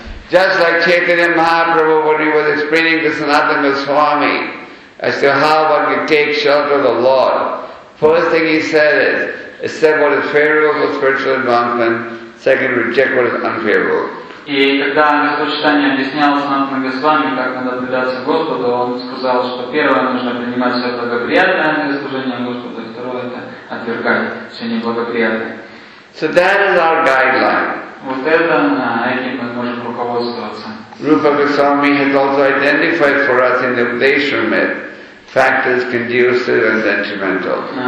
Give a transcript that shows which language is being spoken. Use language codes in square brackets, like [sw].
[en] Just like Chaitanya Mahaprabhu when he was explaining to Sanatana Goswami as to how one can take shelter of the Lord, first thing he said is accept what is favorable for spiritual advancement. Second, reject what is unfavorable. [ru] И когда Господь Читание объяснял Санатана Госвами, как надо предаться Господу, он сказал, что первое нужно принимать все благоприятное для служения Господу, и второе это отвергать все неблагоприятное. [en] So that is our guideline. [ru] Вот это на этим мы можем руководствоваться. [en] Rupa Goswami has also identified for us in the Upadeshramit factors conducive and detrimental.